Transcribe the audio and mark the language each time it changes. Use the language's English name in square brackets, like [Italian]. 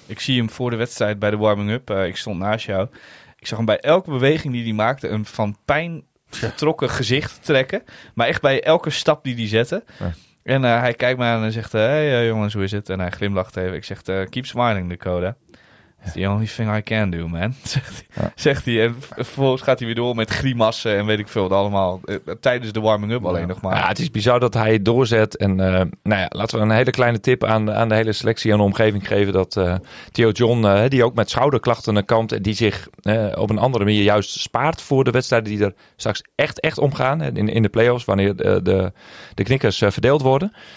[Dutch] Ik zie hem voor de wedstrijd bij de warming-up. Ik stond naast jou. Ik zag hem bij elke beweging die hij maakte een van pijn vertrokken gezicht trekken. Maar echt bij elke stap die hij zette. Ja. En hij kijkt me aan en zegt, hey jongens, hoe is het? En hij glimlacht even. Ik zeg, [English] keep smiling, [Dutch] Dakota. [English] It's the only thing I can do, man. [Dutch] Zegt hij. En vervolgens gaat hij weer door met grimassen en weet ik veel allemaal. Tijdens de warming-up alleen nog maar. Ja, het is bizar dat hij doorzet. En laten we een hele kleine tip aan de hele selectie en de omgeving geven. Dat Theo John, die ook met schouderklachten kampt. En die zich op een andere manier juist spaart voor de wedstrijden die er straks echt om gaan. In de playoffs, wanneer de knikkers verdeeld worden.